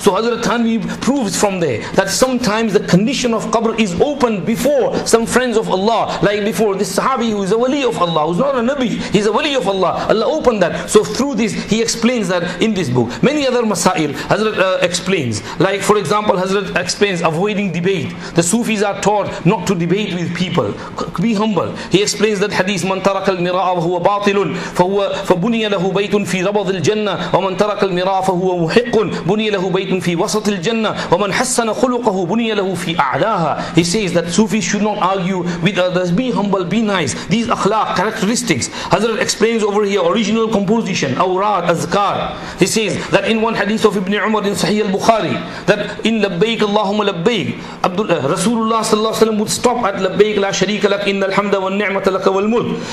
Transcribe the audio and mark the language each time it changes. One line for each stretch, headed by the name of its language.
English: So Hazrat Thanvi proves from there that sometimes the condition of qabr is open before some friends of Allah, like before this sahabi who is a wali of Allah, who is not a nabi, he is a wali of Allah. Allah opened that. So through this, he explains that in this book. Many other masail, Hazrat explains. Like, for example, Hazrat explains avoiding debate. The Sufis are taught not to debate with people. Be humble. He explains that hadith,
Arabic: مَنْ تَرَكَ الْمِرَاءَ وَهُوَ بَاطِلٌ فَبُنِيَ لَهُ بَيْتٌ فِي رَبَضِ الْجَنَّةِ وَمَنْ تَرَكَ الْمِرَاءَ فَهُوَ مُحِقٌ بُنِيَ لَهُ بَيْتٌ فِي وَسَطِ الْجَنَّةِ وَمَنْ حَسَّنَ خُلُقَهُ بُنِيَ لَهُ فِي أَعْلَاهَا.
English: He says that Sufis should not argue with others. Be humble, be nice. These akhlaq, characteristics. Hazrat explains over here, original composition, awrad, azkar. He says that in one hadith of Ibn Umar in Sahih al-Bukhari, that in labbaik Allahumma labbaik, Rasulullah sallallahu alayhi wa sallam would stop at
Arabic: labbaik la sharika lak inna alhamda wa ni'mata laka wal mulk.